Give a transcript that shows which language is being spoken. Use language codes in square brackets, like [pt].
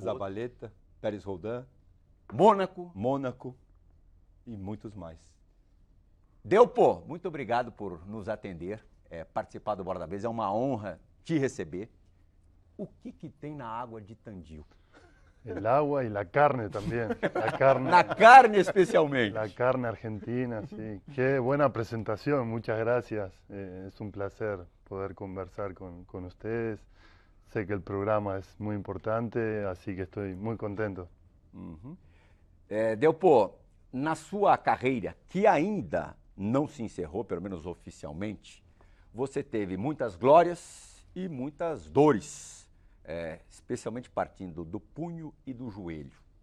[pt] Zabaleta, Pérez Roldán. Mônaco. Mônaco e muitos mais. Del Po, muito obrigado por nos atender, participar do Bora da Vez, é uma honra te receber. O que que tem na água de Tandil? [es] El agua y la carne también. La carne. La carne especialmente. La carne argentina, sí. Qué buena presentación, muchas gracias. Es un placer poder conversar con ustedes. Sé que el programa es muy importante, así que estoy muy contento. [pt] Del Po, na sua carreira, que ainda não se encerrou, pelo menos oficialmente, você teve muitas glórias e muitas dores, especialmente partindo do punho e do joelho.